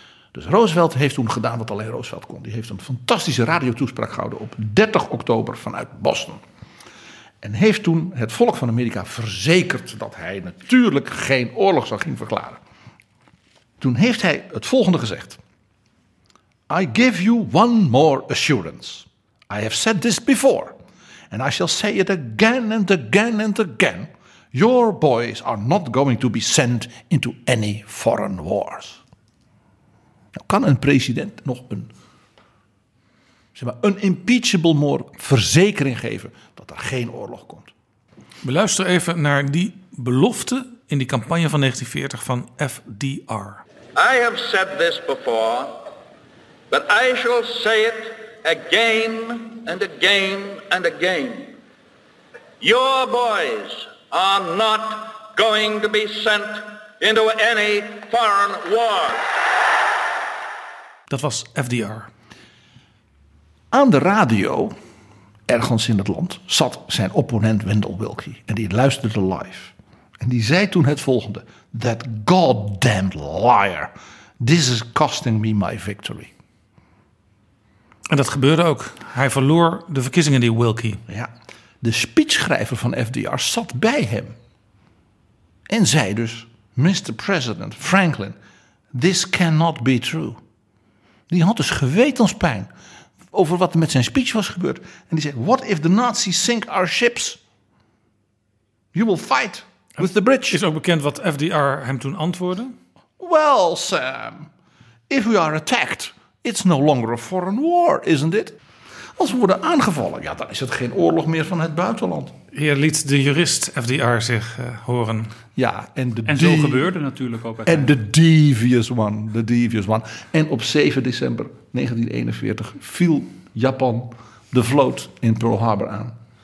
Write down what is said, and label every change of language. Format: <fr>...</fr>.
<nl>Dus Roosevelt heeft toen gedaan wat alleen Roosevelt kon. Die heeft een fantastische radiotoespraak gehouden op 30 oktober vanuit Boston. En heeft toen het volk van Amerika verzekerd dat hij natuurlijk geen oorlog zou gaan verklaren. Toen heeft hij het volgende gezegd.</nl> <en>I give you one more assurance. I have said this before. And I shall say it again and again and again. Your boys are not going to be sent into any foreign wars.</en> <nl>Nou, kan een president nog een</nl> <en>impeachable more</en> <nl>verzekering geven dat er geen oorlog komt? We luisteren even naar die belofte in die campagne van 1940 van FDR.</nl> <en>I have said this before. But I shall say it again and again and again. Your boys are not going to be sent into any foreign war.</en> <nl>Dat was FDR. Aan de radio, ergens in het land, zat zijn opponent Wendell Willkie. En die luisterde live. En die zei toen het volgende.</nl> <en>That goddamn liar. This is costing me my victory.</en> <nl>En dat gebeurde ook. Hij verloor de verkiezingen, die Willkie. Ja, de speechschrijver van FDR zat bij hem. En zei dus, Mr.</nl> <en>President Franklin, this cannot be true.</en> <nl>Die had dus gewetenspijn over wat er met zijn speech was gebeurd. En die zei,</nl> <en>what if the Nazis sink our ships? You will fight with the British.</en> <nl>Is ook bekend wat FDR hem toen antwoordde?</nl> <en>Well, Sam, if we are attacked, it's no longer a foreign war, isn't it?</en> <nl>Als we worden aangevallen, ja, dan is het geen oorlog meer van het buitenland. Hier liet de jurist FDR zich horen. Ja, zo gebeurde natuurlijk ook. En</nl> <en>the devious one.</en> <nl>En op 7 december 1941 viel Japan de vloot in Pearl Harbor aan.</nl>